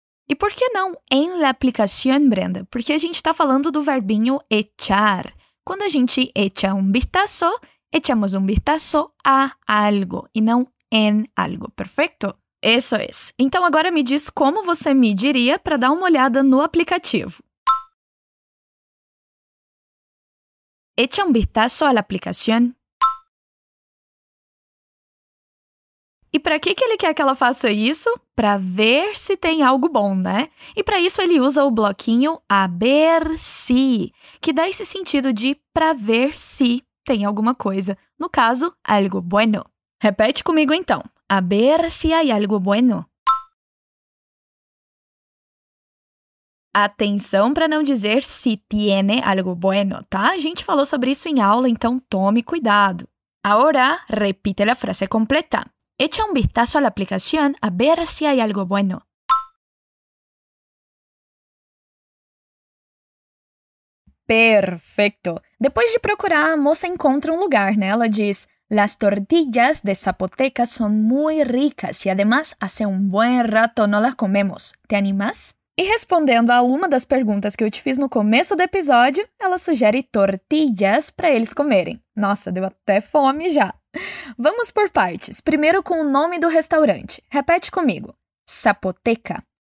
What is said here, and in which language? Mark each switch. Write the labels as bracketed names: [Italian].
[Portuguese] E por que não [Spanish] en la aplicación, [Portuguese] Brenda? Porque a gente tá falando do verbinho echar. Quando a gente [Spanish] echa un vistazo, echamos un vistazo a algo [Portuguese] e não [Spanish] en algo, [Portuguese] perfeito? Isso é. Então agora me diz como você me diria para dar uma olhada no aplicativo. [Spanish] Echa un vistazo a la aplicación. [Portuguese] E para que, que ele quer que ela faça isso? Para ver se tem algo bom, né? E para isso ele usa o bloquinho a ver si, que dá esse sentido de para ver si tem alguma coisa. No caso, [Spanish] algo bueno. [Portuguese] Repete comigo então. [Spanish] A ver si hay algo bueno. [Portuguese] Atenção para não dizer [Spanish] si tiene algo bueno, [Portuguese] tá? A gente falou sobre isso em aula, então tome cuidado. Agora, repite a frase completa. [Spanish] Echa un vistazo a la aplicación a ver si hay algo bueno. Perfecto. [Portuguese] Depois de procurar, a moça encontra um lugar, né? Ela diz, [Spanish] las tortillas de Zapoteca son muy ricas y además hace un buen rato no las comemos. ¿Te animas? [Portuguese] E respondendo a uma das perguntas que eu te fiz no começo do episódio, ela sugere tortillas para eles comerem. Nossa, deu até fome já. Vamos por partes. Primeiro com o nome do restaurante. Repete comigo. Zapoteca.